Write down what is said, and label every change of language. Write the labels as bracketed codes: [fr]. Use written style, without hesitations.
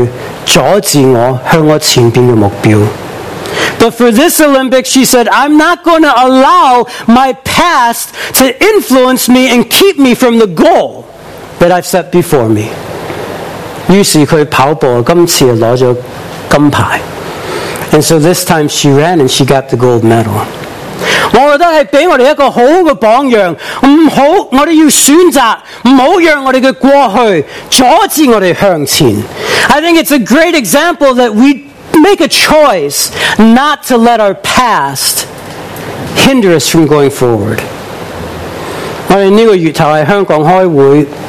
[zh] 所以今届呢，她就决心说，我不会被我过去阻止我向我前面的目标。 [en] But for this Olympics, she said, I'm not going to allow my past to influence me and keep me from the goal that I've set before me. [zh] 于是她跑步，今次拿了金牌。 [en] And so this time she ran and she got the gold medal. [zh] 我觉得是给我们一个好的榜样，我们要选择，不要让我们的过去阻止我们向前。 [en] I think it's a great example that we make a choice not to let our past hinder us from going forward. [zh] 我们这个月头在香港开会。